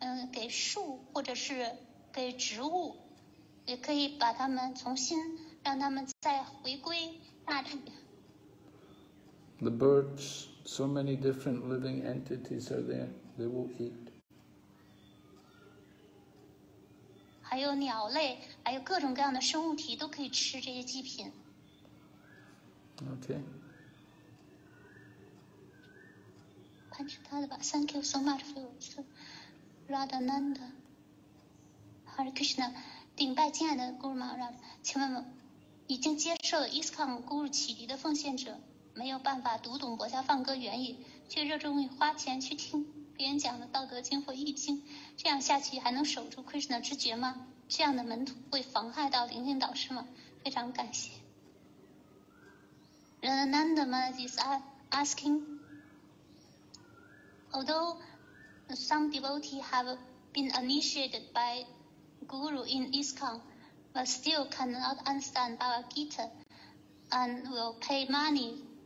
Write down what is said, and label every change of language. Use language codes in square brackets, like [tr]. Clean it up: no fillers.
[zh] 给树或者是给植物，也可以把它们重新让它们再回归大地。 [en] The birds, so many different living entities are there. They will eat. [zh] 还有鸟类，还有各种各样的生物体都可以吃这些祭品。 [en] Okay. [zh] 潘知道了吧 [en] ？Thank you so much for your Radhananda, Hare Krishna. [zh] 顶拜亲爱的 Guru Maharaj, 请问已经接受 ISKCON Guru 启迪的奉献者。没有办法读懂国家放歌原意，却热衷于花钱去听别人讲的《道德经》或《易经》，这样下去还能守住 Krishna 之觉吗？这样的门徒会妨害到灵性导师吗？非常感谢。 [en] Radhananda Maharaj is asking, although some devotees have been initiated by Guru in ISKCON, but still cannot understand Bhagavad Gita and will pay money.